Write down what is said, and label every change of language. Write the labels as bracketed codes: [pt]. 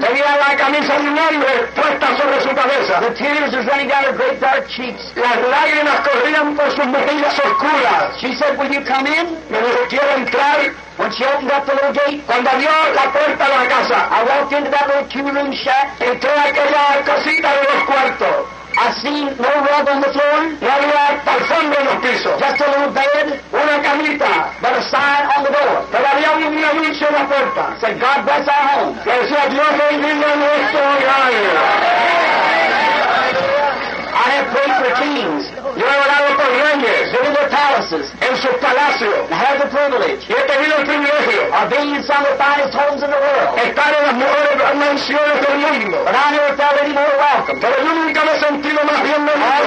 [es] Tenía la camisa de un hombre puesta sobre su cabeza. [en] The tears were running down her great dark cheeks. [es] Las lágrimas corrían por sus mejillas oscuras. [en] She said, will you come in? [es] Me dijo, ¿quiero entrar? [en] When she opened up the little gate. [es] Cuando abrió la puerta de la casa. [en] I walked into that little two-room shack. [es] Entré a aquella casita de los cuartos. [en] I seen no rug on the floor. [es] No había alfombra en los pisos. [en] Just a little bed. [es] Una camita. [en] But a sign on the door. [es] Pero había un anuncio en la puerta. [en] Said, God bless our home. [es] Que decía, Dios bendiga nuestro hogar. [en] I have prayed for kings. [es] Yo he orado por reyes. [en] Been in their palaces. [es] En sus palacios. [en] And have the privilege. [es] Y he [en] some of the finest homes in the world. [es] Estar en las mejores mansiones del mundo. [en] But I never felt any more welcome. [es] Pero yo nunca me he sentido más bienvenido.